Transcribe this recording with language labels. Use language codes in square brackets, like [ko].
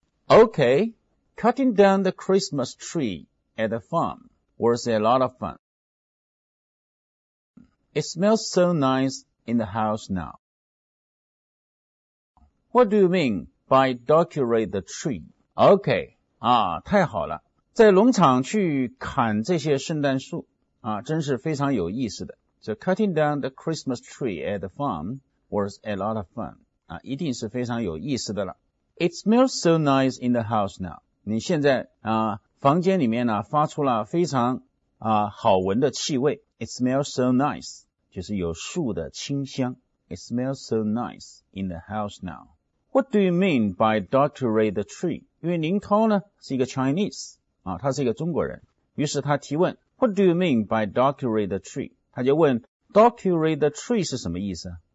[en] Okay, cutting down the Christmas tree at the farm was a lot of fun. It smells so nice in the house now. What do you mean by decorate the tree? [zh] Okay, 啊，太好了。在农场去砍这些圣诞树啊，真是非常有意思的。 [en] So cutting down the Christmas tree at the farm was a lot of fun. [zh] 啊，一定是非常有意思的了。 [en] It smells so nice in the house now. [zh] 你现在啊，房间里面呢发出了非常啊好闻的气味。 [en] It smells so nice. [zh] 就是有树的清香。 [en] It smells so nice in the house now. What do you mean by decorate the tree? [zh] 因为林涛呢是一个 Chinese. 啊，他是一个中国人，于是他提问 [en] What do you mean by decorate the tree? [zh] 他就问 [en] Decorate the tree [zh] 是什么意思